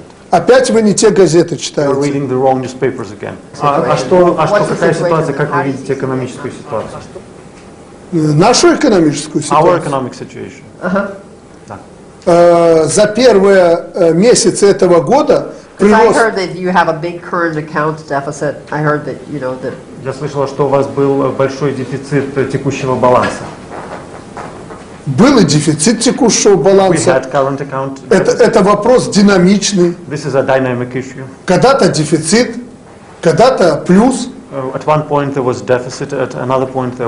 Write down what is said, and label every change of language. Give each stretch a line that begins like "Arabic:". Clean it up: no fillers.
Russian: Опять вы не те газеты читаете. А что какая ситуация, как вы видите экономическую ситуацию? Нашу экономическую ситуацию?
English: Our economic situation.
Russian: За первые месяцы этого года прирост...
English: I heard that you have a big current account deficit. I heard that, you know, that...
Russian: Я слышала, что у вас был большой дефицит текущего баланса. Был и дефицит текущего баланса. Это вопрос динамичный.
English: This is a dynamic issue.
Russian: Когда-то дефицит, когда-то плюс.
English: At one point there was deficit, at another point there